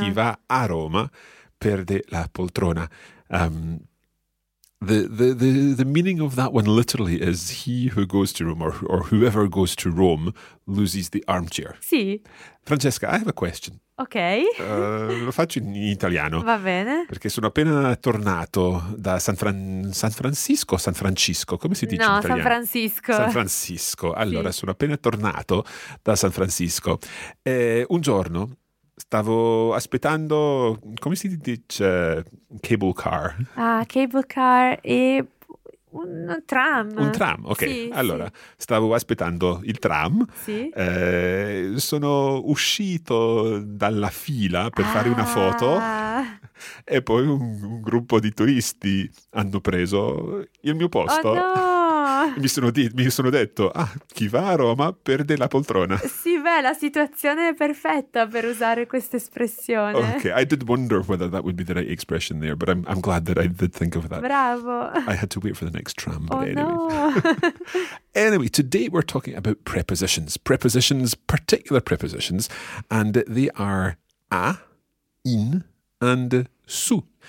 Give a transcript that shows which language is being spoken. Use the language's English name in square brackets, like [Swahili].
[Italian] Chi va a Roma perde la poltrona. [English] The meaning of that one literally is he who goes to Rome or whoever goes to Rome loses the armchair. [Italian] Sì. [English] Francesca, I have a question. Ok. [Italian] Lo faccio in italiano. Va bene. Perché sono appena tornato da San Francisco? San Francisco, come si dice no, in italiano? No, San Francisco. San Francisco. Allora, sì. sono appena tornato da San Francisco. Un giorno stavo aspettando, come si dice, [English] cable car? [Italian] Ah, [English] cable car [Italian] e un tram. Un tram, ok. Sì, allora, sì. stavo aspettando il tram. Sì. Sono uscito dalla fila per fare una foto. E poi un gruppo di turisti hanno preso il mio posto. Oh, no! Mi sono detto, ah, chi va a Roma perde la poltrona. Sì, Cioè, la situazione è perfetta per usare questa espressione. [English] Okay, I did wonder whether that would be the right expression there, but I'm glad that I did think of that. [Italian] Bravo. [English] I had to wait for the next tram, but oh, anyway. No. Anyway, today we're talking about prepositions. Prepositions, particular prepositions, and they are a, in, and su.